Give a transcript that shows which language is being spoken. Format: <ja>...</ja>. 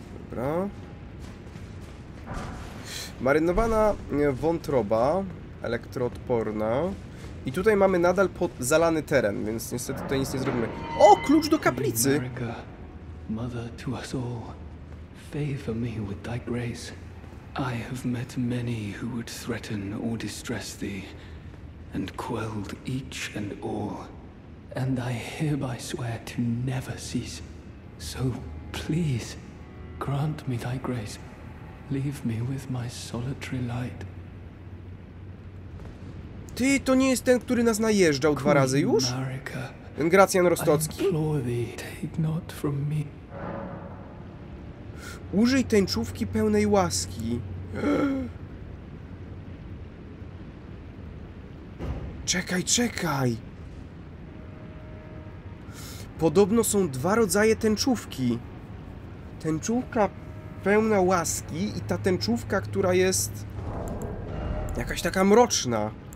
<pl>Dobra. Marynowana wątroba elektroodporna. I tutaj mamy nadal zalany teren, więc niestety tutaj nic nie zrobimy. O, klucz do kaplicy!</pl> <en>Mother to us all, favor me with thy grace. I have met many who would threaten or distress thee, and quelled each and all. And I hereby swear to never cease. So please, grant me thy grace. Leave me with my solitary light.</en> <pl>Ty, to nie jest ten, który nas najeżdżał dwa razy już? Ten Gracjan Rostocki?</pl> <en>I implore thee, take not from me.</en> <pl>Użyj tęczówki pełnej łaski. Czekaj, czekaj. Podobno są dwa rodzaje tęczówki. Tęczówka pełna łaski i ta tęczówka, która jest jakaś taka mroczna.</pl>